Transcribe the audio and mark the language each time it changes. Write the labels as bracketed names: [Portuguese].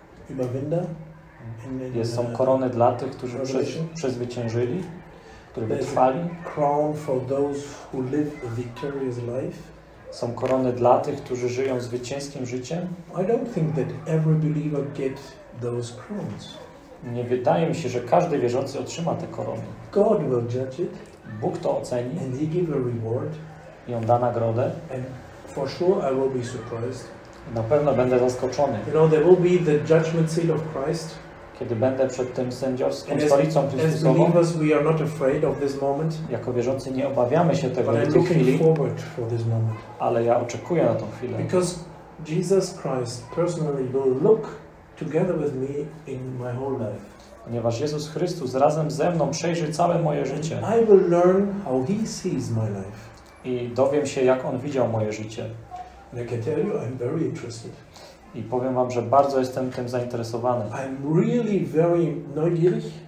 [German] Überwinder. [Polish] Jest są korony dla tych, którzy przezwyciężyli, którzy wytrwali. [English] Crown for those who live a victorious life. [Polish] Są korony dla tych, którzy żyją zwycięskim życiem. [English] I don't think that every believer get those crowns. [Polish] Nie wydaje mi się, że każdy wierzący otrzyma te korony. [English] God will judge it. [Polish] Bóg to oceni. [English] And he give a reward. [Polish] I on da nagrodę. [English] And for sure I will be surprised. [Polish] Na pewno będę zaskoczony. [English] You know, there will be the judgment seat of Christ. [Polish] Kiedy będę przed tym sędziowskim stolicą Chrystusową. [English] As believers, we are not afraid of this moment. [Polish] Jako wierzący nie obawiamy się tego [English] but [Polish] w tej chwili. [English] Forward for this moment. [Polish] Ale ja oczekuję na tą chwilę. [English] Because Jesus Christ personally will look together with me in my whole life. [Polish] Ponieważ Jezus Chrystus razem ze mną przejrzy całe moje życie. [English] And I will learn how he sees my life. [Polish] I dowiem się, jak on widział moje życie. [English] And I can tell you, I'm very interested. [Polish] I powiem wam, że bardzo jestem tym zainteresowany. [English] I'm really very [German] neugierig.